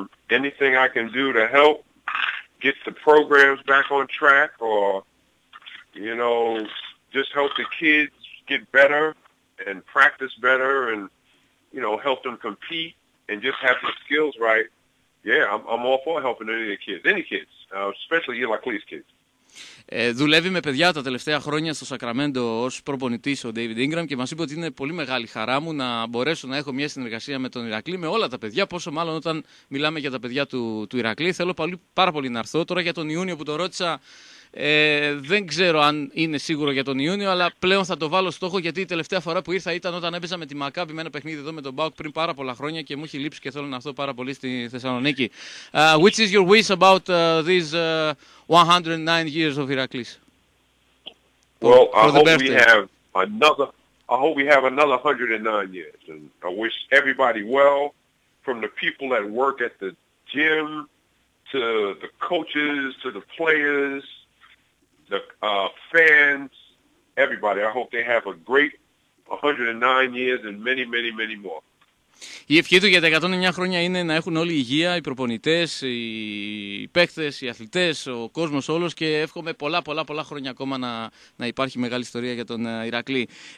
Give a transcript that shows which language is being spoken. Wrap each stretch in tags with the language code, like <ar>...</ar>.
<en>Anything I can do to help get the programs back on track, or, you know, just help the kids get better and practice better and, you know, help them compete and just have the skills right. Yeah, I'm all for helping any kids, especially Heracles kids.</en> <el>Δουλεύει με παιδιά τα τελευταία χρόνια στο Σακραμέντο ως προπονητής ο Ντέιβιντ Ινγκραμ και μας είπε ότι είναι πολύ μεγάλη χαρά μου να μπορέσω να έχω μια συνεργασία με τον Ηρακλή, με όλα τα παιδιά, πόσο μάλλον όταν μιλάμε για τα παιδιά του Ηρακλή. Θέλω πάρα πολύ να έρθω. Τώρα για τον Ιούνιο που τον ρώτησα, δεν ξέρω αν είναι σίγουρο για τον Ιούνιο, αλλά πλέον θα το βάλω στόχο, γιατί η τελευταία φορά που ήρθα ήταν όταν έπαιζα με τη Μακάβη με ένα παιχνίδι εδώ με τον ΠΑΟΚ πριν πάρα πολλά χρόνια και μου έχει λείψει και θέλω να έρθω πάρα πολύ στη Θεσσαλονίκη.</el> <en>Which is your wish about these 109 years of Heracles? Well, for the birthday. I hope we have another 109 years. And I wish everybody well, from the people that work at the gym to the coaches, to the players, the fans, everybody. I hope they have a great 109 years and many, many, many more.</en> <el>Η ευχή του για τα 109 χρόνια είναι να έχουν όλη υγεία, οι προπονητές, οι παίκτες, οι αθλητές, ο κόσμος όλος, και εύχομαι πολλά, πολλά, πολλά χρόνια ακόμα να υπάρχει μεγάλη ιστορία για τον Ηρακλή.</el>